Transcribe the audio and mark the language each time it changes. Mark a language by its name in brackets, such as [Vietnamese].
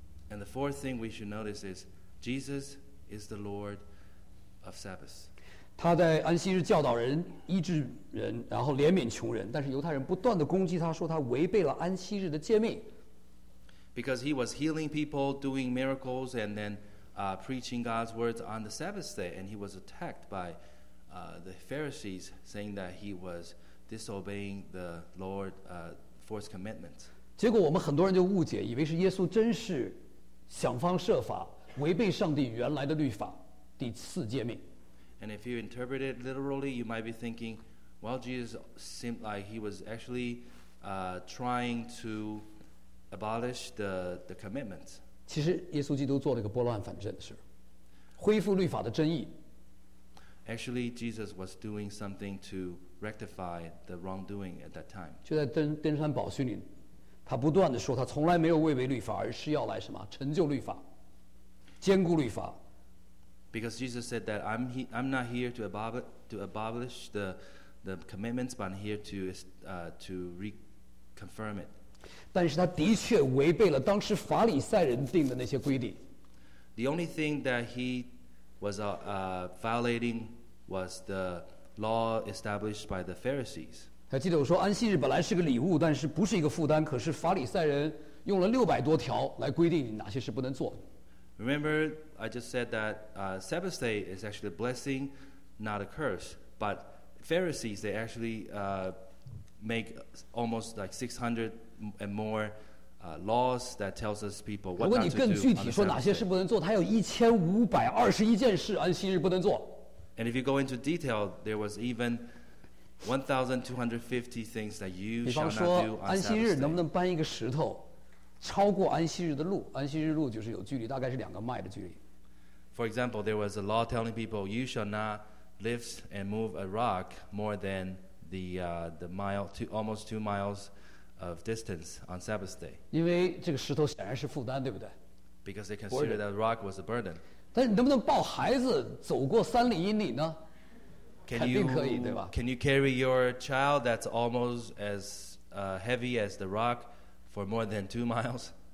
[English] And the fourth thing we should notice is Jesus is the Lord of Sabbath. [Chinese] 他在安息日教导人、医治人，然后怜悯穷人，但是犹太人不断的攻击他，说他违背了安息日的诫命。 [English] Because he was healing people, doing miracles, and then preaching God's words on the Sabbath day, and he was attacked by the Pharisees, saying that he was disobeying the Lord's fourth commandment. [Chinese] 结果我们很多人就误解，以为是耶稣真是想方设法违背上帝原来的律法第四诫命。 [English] And if you interpret it literally, you might be thinking, well, Jesus seemed like he was actually trying to abolish the commandments. [Chinese] 其实耶稣基督做了一个拨乱反正的事恢复律法的真意 [English] Actually Jesus was doing something to rectify the wrongdoing at that time [Chinese] 就在登山宝训里他不断地说他从来没有违背律法而是要来什么成就律法坚固律法 [English] Because Jesus said that I'm not here to abolish the commandments but I'm here to reconfirm it [Chinese] 但是他的确违背了当时法利赛人定的那些规定。 [English] The only thing that he was violating was the law established by the Pharisees. [Chinese] 还记得我说安息日本来是个礼物，但是不是一个负担。可是法利赛人用了600多条来规定你哪些是不能做的。 [English] Remember, I just said that Sabbath day is actually a blessing, not a curse. But Pharisees they actually make almost like 600. And more laws that tells us people what not to do. [Chinese] 如果你更具体说哪些事不能做，他有1521件事安息日不能做。 [English] And if you go into detail, there was even 1,250 things that you shall not do on Sabbath. [Chinese] 比方说，安息日能不能搬一个石头，超过安息日的路？安息日路就是有距离，大概是2个迈的距离。 [English] For example, there was a law telling people you shall not lift and move a rock more than the mile to almost 2 miles. Of distance on Sabbath day. [Chinese] 因为这个石头显然是负担，对不对 [English] ？Because they considered that rock was a burden. [Chinese] 但是你能不能抱孩子走过3里英里呢 [English] ？Can you? [Chinese] 肯定可以，对吧 [English] ？Can you carry your child that's almost as heavy as the rock for more than 2 miles?